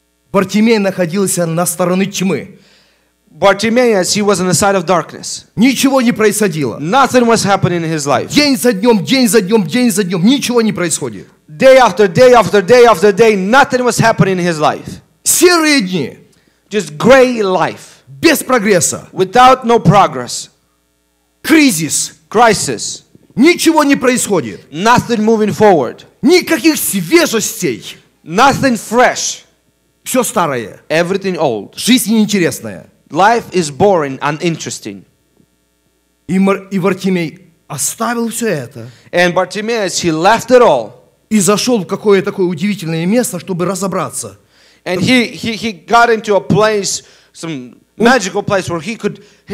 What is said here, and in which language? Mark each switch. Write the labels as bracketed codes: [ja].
[ru] Бартимей находился на стороне тьмы. [en] Bartimaeus, he was on the side of darkness. [ru] Ничего не происходило. [en] Nothing was happening in his life. [ru] День за днем, день за днем, день за днем, ничего не происходит. [en] Day after day after day after day, nothing was happening in his life. [ru] Серые дни. [en] Just gray life. [ru] Без прогресса. [en] Without no progress. [ru] Кризис. [en] Crisis. [ru] Ничего не происходит. [en] Nothing moving forward. [ru] Никаких свежестей. [en] Nothing fresh. [ru] Все старое. [en] Everything old. [ru] Жизнь неинтересная. [en] Life is boring and uninteresting. [ru] И Бартимей оставил все это. [en] And Bartimaeus, he left it all. [ru] И зашел в какое такое удивительное место, чтобы разобраться. [en] And he got into a place, some magical place where he could